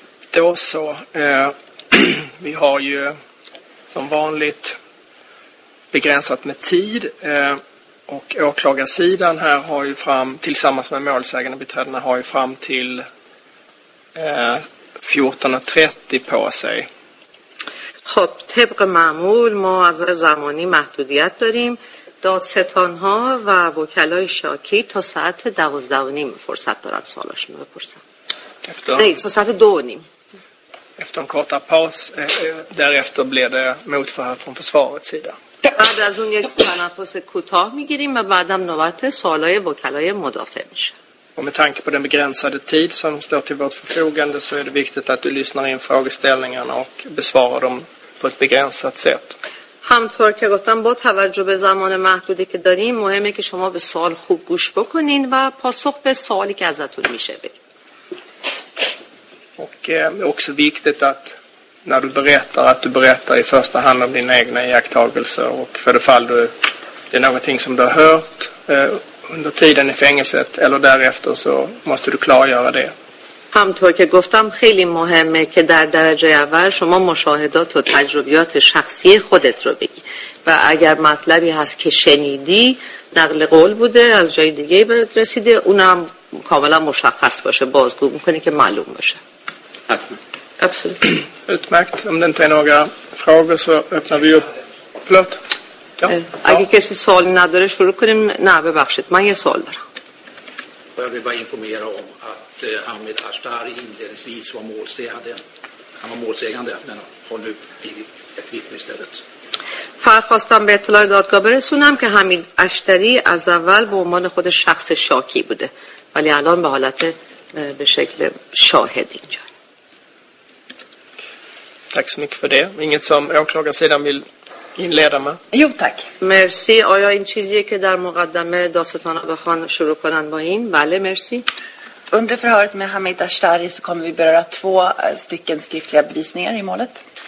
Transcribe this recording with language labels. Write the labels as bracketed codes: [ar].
[sv] Då så vi har ju som vanligt begränsat med tid och åklagarsidan här har ju fram tillsammans med målsägandebiträdena har ju fram till 14:30 på sig. [fa] خب طبق معمول ما از زمانی محدودیت داریم دادستان ها و وکلای شاکی تا ساعت 12:30 فرصت دارند سوالاشون رو بپرسن. ساعت 2:30 [sv] efter en kort paus därefter blir det motförhör från försvarets sida. [fa] بعد از اون یک تنفس کوتاه میگیریم و بعدم نوبت سوالای وکلای مدافع میشه. [sv] Och med tanke på den begränsade tid som står till vårt förfogande så är det viktigt att du lyssnar in frågeställningarna och besvarar dem på ett begränsat sätt. [fa] همطور که گفتم با توجه به زمان محدودی که داریم مهمه که شما به سوال خوب گوش بکنین و پاسخ به سوالی که ازتون میشه بدید. [sv] Och det är också viktigt att när du berättar att du berättar i första hand om dina egna iakttagelser och för det fall du det är någonting som du har hört under tiden i fängelset eller därefter så måste du klargöra det. [fa] همطور که گفتم خیلی مهمه که در درجه اول شما مشاهدات و تجربیات شخصی خودت رو بگی و اگر مطلبی هست که شنیدی نقل قول بوده از جای دیگه رسیده اونم کاملا مشخص باشه بازگو می‌کنی که معلوم باشه. حتما. [sv] Absolut. Utmärkt. Om det inte är några frågor så öppnar vi upp. Förlåt. [fa] اگه کسی سوال نداره شروع کنیم. نه ببخشید من یه سوال دارم. [sv] Jag vill bara informera om att Hamid Ashtari inledningsvis var målsägande. Han var målsägande men har nu blivit ett vittne istället. [fa] فرخواستم به اطلاع دادگاه برسونم که حمید اشتری از اول به عنوان خود شخص شاکی بوده ولی الان به حالت به شکل شاهد اینجا. [sv] Tack så mycket för det. Inget som åklagarsidan vill inleda med. Jo, tack. [fa] Merci. آیا این چیزیه که در مقدمه داستان بخوان شروع کنن با این؟ بله, merci. [sv] Under förhöret med Hamid Ashtari så kommer vi beröra två stycken skriftliga bevisningar i målet.